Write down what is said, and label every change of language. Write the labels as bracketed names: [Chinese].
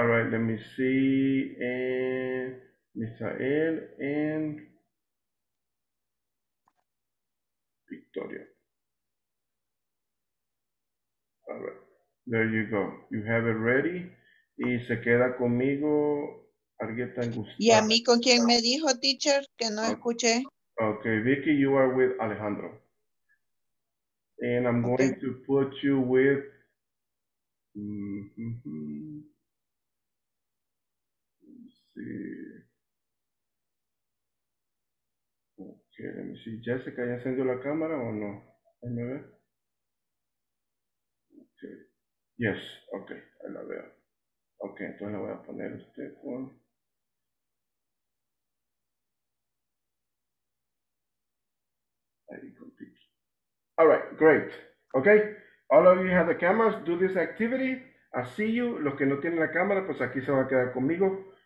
[English] All right, let me see. Misael and Victoria. All right. There you go. You have it ready. [Spanish] Y se queda conmigo [English] Argueta Gustavo. [Spanish] ¿Y a mí con quién me dijo, teacher? Que no escuché. [English] Okay, Vicky, you are with Alejandro. And I'm going to put you with let's see. Okay, let me see. [Spanish] Jessica, ¿ya encendió la cámara o no? Déjame ver. Okay. Yes, okay, ahí la veo. Okay, entonces la voy a poner usted con. Ahí con Vicky. [English] All right, great. Okay, all of you have the cameras, do this activity. I see you. [Spanish] Los que no tienen la cámara, pues aquí se van a quedar conmigo.